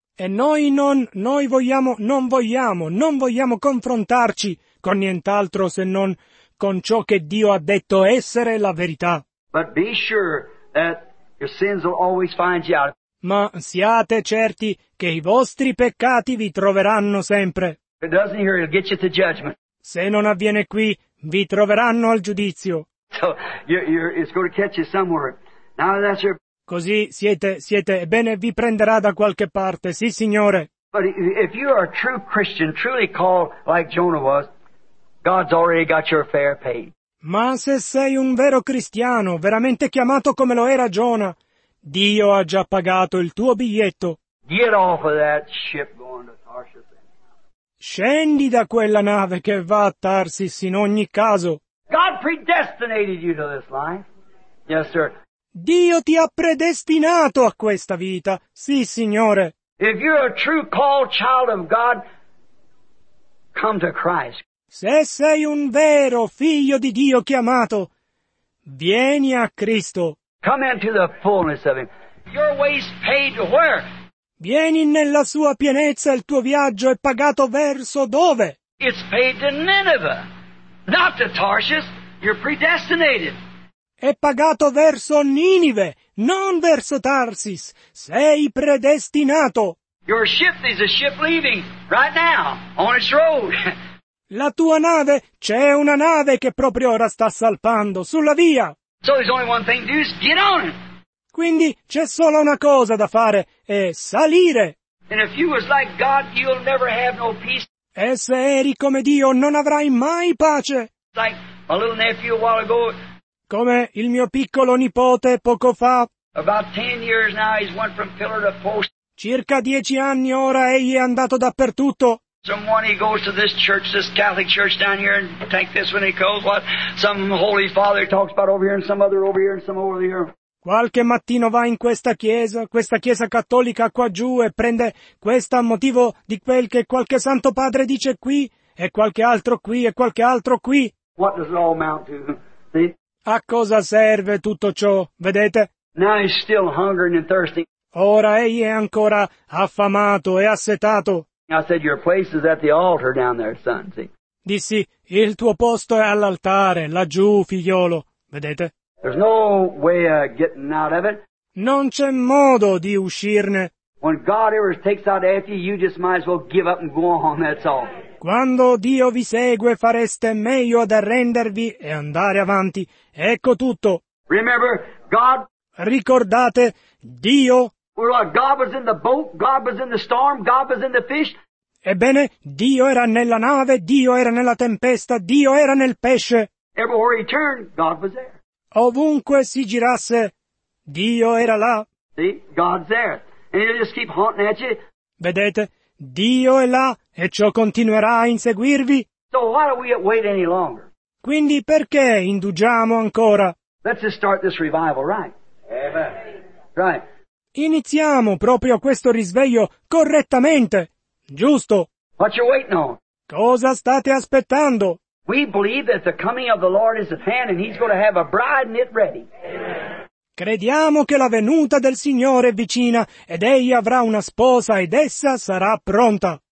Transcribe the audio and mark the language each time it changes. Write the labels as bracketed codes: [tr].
[it] E non vogliamo confrontarci con nient'altro se non con ciò che Dio ha detto essere la verità. [en] But be sure that your sins will always find you out. [it] Ma siate certi che i vostri peccati vi troveranno sempre. [en] If it doesn't here, it'll get you to judgment. [it] Se non avviene qui, vi troveranno al giudizio. [en] So, it's going to catch you somewhere. Now that's your... [it] Così siete, ebbene vi prenderà da qualche parte, sì signore. [en] But if you are a true Christian, truly called like Jonah was, God's already got your fare paid. [it] Ma se sei un vero cristiano, veramente chiamato come lo era Giona, Dio ha già pagato il tuo biglietto. [en] Get off of that ship going to Tarshish. [it] Scendi da quella nave che va a Tarsis in ogni caso. [en] God predestinated you to this life. Yes, sir. [it] Dio ti ha predestinato a questa vita, sì, signore. [en] If you're a true called child of God, come to Christ. [it] Se sei un vero figlio di Dio chiamato, vieni a Cristo. [en] Come into the fullness of Him. Your ways paid to where? [it] Vieni nella sua pienezza, il tuo viaggio è pagato verso dove? [en] It's paid to Nineveh, not to Tarshish. You're predestinated. [it] È pagato verso Ninive, non verso Tarsis. Sei predestinato. [en] Your ship is a ship leaving right now on its road. [it] La tua nave, c'è una nave che proprio ora sta salpando sulla via. [en] So there's only one thing to do, is get on it. [it] Quindi c'è solo una cosa da fare, è salire. [en] And if you was like God, you'll never have no peace. [it] E se eri come Dio, non avrai mai pace. [en] Like a little nephew a while ago. [it] Come il mio piccolo nipote poco fa. [en] About 10 years now he's went from pillar to post. [it] Circa 10 anni ora egli è andato dappertutto. [en] Someone he goes to this church, this Catholic church down here, and take this when he goes, what some holy father talks about over here, and some other over here, and some over here. [it] Qualche mattino va in questa chiesa cattolica qua giù, e prende questo a motivo di quel che qualche santo padre dice qui, e qualche altro qui, e qualche altro qui. [en] What does it all amount to? See? [it] A cosa serve tutto ciò, vedete? [en] Now he's still hungering and thirsting. [it] Ora egli è ancora affamato e assetato. [en] I said, your place is at the altar down there, son. See? [it] Dissi, il tuo posto è all'altare, laggiù, figliolo, vedete? [en] There's no way of getting out of it. [it] Non c'è modo di uscirne. [en] When God ever takes out after you, you just might as well give up and go on, that's all. [it] Quando Dio vi segue, fareste meglio ad arrendervi e andare avanti. Ecco tutto. [en] Remember, God. [it] Ricordate, Dio. [en] God was in the boat, God was in the storm, God was in the fish. [it] Ebbene, Dio era nella nave, Dio era nella tempesta, Dio era nel pesce. [en] Everywhere he turned, God was there. [it] Ovunque si girasse, Dio era là. [en] See, God's there. And he'll just keep haunting at you. [it] Vedete, Dio è là, e ciò continuerà a inseguirvi. [en] So why do we wait any longer? [it] Quindi perché indugiamo ancora? [en] Let's just start this revival, right? Amen. Right. [it] Iniziamo proprio questo risveglio correttamente. Giusto. [en] What you waiting on? [it] Cosa state aspettando? [en] We believe that the coming of the Lord is at hand and he's going to have a bride knit ready. Amen. [it] Crediamo che la venuta del Signore è vicina ed egli avrà una sposa ed essa sarà pronta.